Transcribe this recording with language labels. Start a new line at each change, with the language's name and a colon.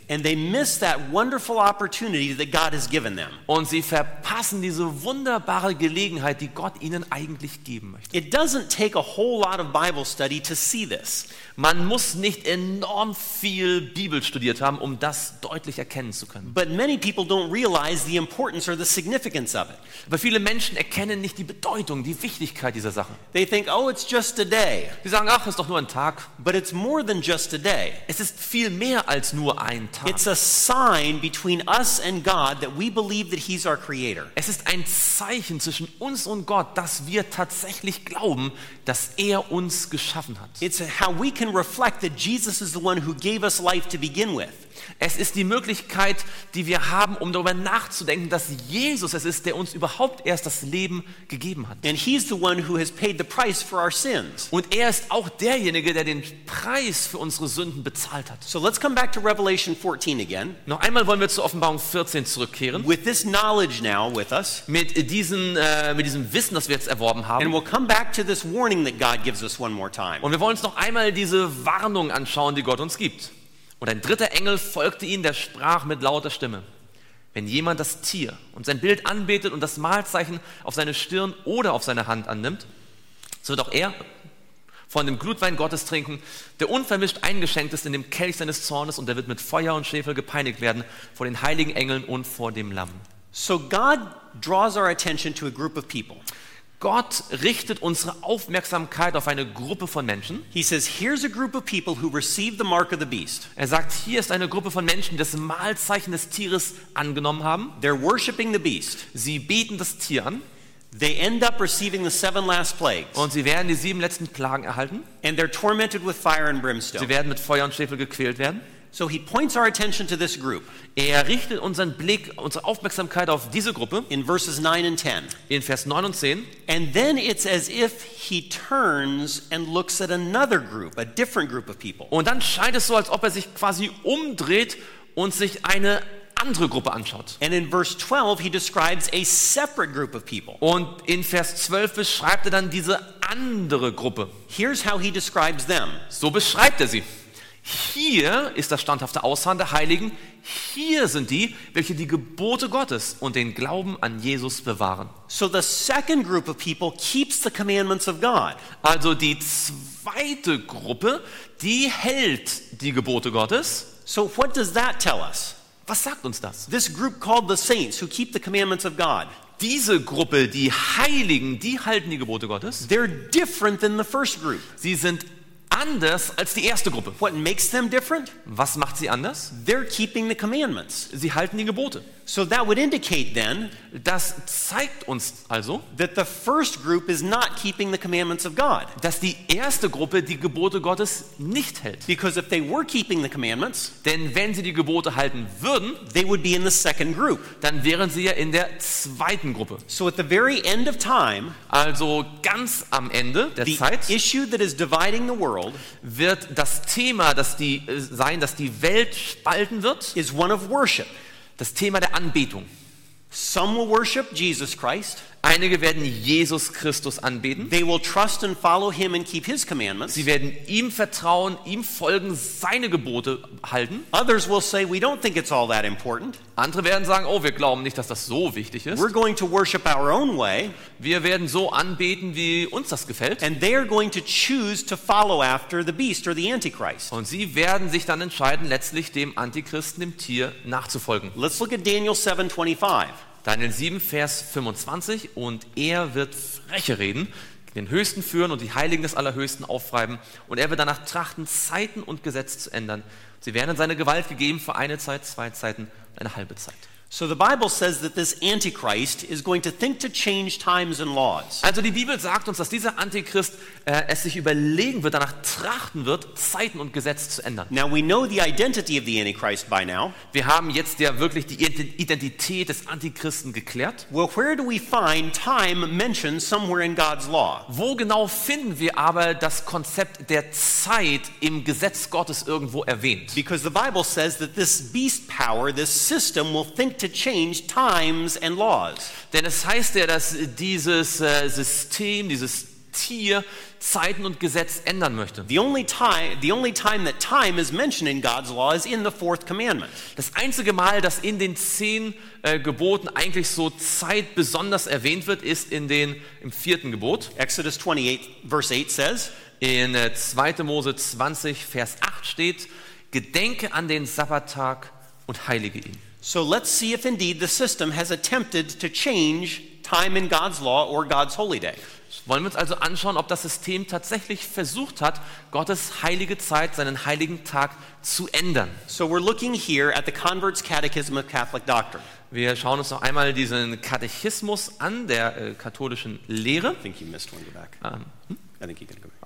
English: And they miss that wonderful opportunity that God has given them.
German: Und sie verpassen diese wunderbare Gelegenheit, die Gott ihnen eigentlich geben möchte.
English: It doesn't take a whole lot of Bible study to see this.
German: Man muss nicht enorm viel Bibel studiert haben, um das deutlich erkennen zu können.
English: But many people don't realize the importance or the significance of it.
German: Aber viele Menschen erkennen nicht die Bedeutung, die Wichtigkeit dieser Sache.
English: They think, oh, it's just a day.
German: Sie sagen, ach, es ist doch nur ein Tag.
English: But it's more than just a day.
German: Es ist viel mehr als nur ein Tag.
English: It's a sign between us and God that we believe that he's our creator.
German: Es ist ein Zeichen zwischen uns und Gott, dass wir tatsächlich glauben, dass er uns geschaffen hat.
English: It's how we can reflect that Jesus is the one who gave us life to begin with.
German: Es ist die Möglichkeit, die wir haben, um darüber nachzudenken, dass Jesus es ist, der uns überhaupt erst das Leben gegeben hat.
English: And he's the one who has paid the price for our sins.
German: Und er ist auch derjenige, der den Preis für unsere Sünden bezahlt hat.
English: So let's come back to Revelation 14 again.
German: Noch einmal wollen wir zur Offenbarung 14 zurückkehren.
English: With this knowledge now with us.
German: Mit diesem Wissen, das wir jetzt erworben haben.
English: And we'll come back to this warning that God gives us one more time.
German: Und wir wollen uns noch einmal diese Warnung anschauen, die Gott uns gibt. Und ein dritter Engel folgte ihnen, der sprach mit lauter Stimme: Wenn jemand das Tier und sein Bild anbetet und das Malzeichen auf seine Stirn oder auf seine Hand annimmt, so wird auch er von dem Glutwein Gottes trinken, der unvermischt eingeschenkt ist in dem Kelch seines Zornes, und er wird mit Feuer und Schwefel gepeinigt werden vor den heiligen Engeln und vor dem Lamm.
English: So God draws our attention to a group of people.
German: Gott richtet unsere Aufmerksamkeit auf eine Gruppe von Menschen.
English: He says, here's a group of people who received the mark of the beast.
German: Er sagt, hier ist eine Gruppe von Menschen, die das Malzeichen des Tieres angenommen haben.
English: They're worshiping the beast.
German: Sie beten das Tier an.
English: They end up receiving the seven last plagues.
German: Und sie werden die sieben letzten Plagen erhalten.
English: And they're tormented with fire and brimstone.
German: Sie werden mit Feuer und Schwefel gequält werden.
English: So he points our attention to this group.
German: Er richtet unseren Blick, unsere Aufmerksamkeit auf diese Gruppe.
English: In verses 9 and 10.
German: In Vers 9 und 10.
English: And then it's as if he turns and looks at another group, a different group of people.
German: Und dann scheint es so, als ob er sich quasi umdreht und sich eine andere Gruppe anschaut.
English: And in verse 12 he describes a separate group of people.
German: Und in Vers 12 beschreibt er dann diese andere Gruppe.
English: Here's how he describes them.
German: So beschreibt er sie. Hier ist das standhafte Ausharren der Heiligen. Hier sind die, welche die Gebote Gottes und den Glauben an Jesus bewahren.
English: So the second group of people keeps the commandments of God.
German: Also die zweite Gruppe, die hält die Gebote Gottes.
English: So what does that tell us?
German: Was sagt uns das?
English: This group called the saints who keep the commandments of God.
German: Diese Gruppe, die Heiligen, die halten die Gebote Gottes.
English: They're different than the first group.
German: Sie sind anders als die erste Gruppe.
English: What makes them different?
German: Was macht sie anders?
English: They're keeping the commandments.
German: Sie halten die Gebote.
English: So that would indicate then,
German: das zeigt uns also,
English: that the first group is not keeping the commandments of God.
German: Dass die erste Gruppe die Gebote Gottes nicht hält.
English: Because if they were keeping the commandments,
German: denn wenn sie die Gebote halten würden,
English: they would be in the second group.
German: Dann wären sie ja in der zweiten Gruppe.
English: So at the very end of time,
German: also ganz am Ende der
English: the
German: Zeit,
English: issue that is dividing the world,
German: wird das Thema, das die sein, dass die Welt spalten wird,
English: is one of worship.
German: Das Thema der Anbetung.
English: Some will worship Jesus Christ.
German: Einige werden Jesus Christus anbeten.
English: They will trust and follow him and keep his commandments.
German: Sie werden ihm vertrauen, ihm folgen, seine Gebote halten.
English: Others will say, we don't think it's all that important.
German: Andere werden sagen, oh, wir glauben nicht, dass das so wichtig ist.
English: We're going to worship our own way.
German: Wir werden so anbeten, wie uns das gefällt.
English: And they are going to choose to follow after the beast or the Antichrist.
German: Und sie werden sich dann entscheiden, letztlich dem Antichristen, dem Tier, nachzufolgen.
English: Let's look at Daniel 7:25.
German: Daniel 7, Vers 25, und er wird freche reden, den Höchsten führen und die Heiligen des Allerhöchsten aufreiben, und er wird danach trachten, Zeiten und Gesetze zu ändern. Sie werden in seine Gewalt gegeben für eine Zeit, zwei Zeiten, eine halbe Zeit.
English: So the Bible says that this Antichrist is going to think to change times and laws.
German: Also die Bibel sagt uns, dass dieser Antichrist es sich überlegen wird, danach trachten wird, Zeiten und Gesetze zu ändern.
English: Now we know the identity of the Antichrist by now.
German: Wir haben jetzt ja wirklich die Identität des Antichristen geklärt.
English: Well, where do we find time mentioned somewhere in God's law?
German: Wo genau finden wir aber das Konzept der Zeit im Gesetz Gottes irgendwo erwähnt?
English: Because the Bible says that this beast power, this system will think to change times and laws.
German: Denn es heißt ja, dass dieses System, dieses Tier Zeiten und Gesetz ändern möchte.
English: The only time that time is mentioned in God's law is in the fourth commandment.
German: Das einzige Mal, dass in den 10 Geboten eigentlich so Zeit besonders erwähnt wird, ist in den im vierten Gebot.
English: Exodus 28 verse 8 says,
German: in 2. Mose 20 Vers 8 steht, gedenke an den Sabbattag und heilige ihn.
English: So let's see if indeed the system has attempted to change time in God's law or God's holy day.
German: Wollen wir uns also anschauen, ob das System tatsächlich versucht hat, Gottes heilige Zeit, seinen heiligen Tag zu ändern.
English: So we're looking here at the Convert's Catechism of Catholic Doctrine.
German: Wir schauen uns noch einmal diesen Katechismus an, der katholischen Lehre.
English: I think you missed one, go back. I think you're going to go back.